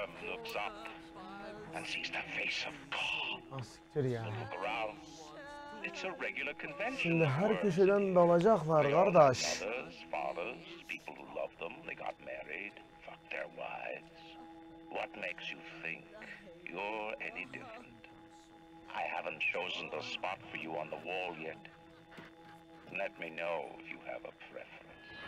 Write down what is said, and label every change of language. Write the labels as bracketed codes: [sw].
[en] looks up and sees the face of God. Look around. It's a regular convention. [tr] Şimdi her köşeden dalacaklar kardeş. [en] Mothers, fathers, people who love them, they got married, fucked their wives. What makes you think you're any different? I haven't chosen the spot for you on the wall yet. Let me know if you have a preference.